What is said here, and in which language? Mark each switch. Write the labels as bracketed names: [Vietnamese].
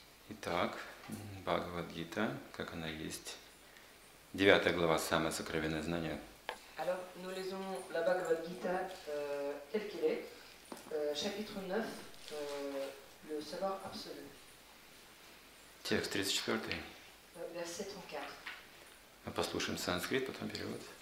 [Russian] Итак, Бхагавад-гита, как она есть. 9 глава, самое сокровенное знание. [French] Alors, nous lisons la Bhagavad-gita telle qu'elle est, chapitre 9, le savoir absolu. Texte 34. Verset 34. [Russian] Мы послушаем санскрит, потом перевод.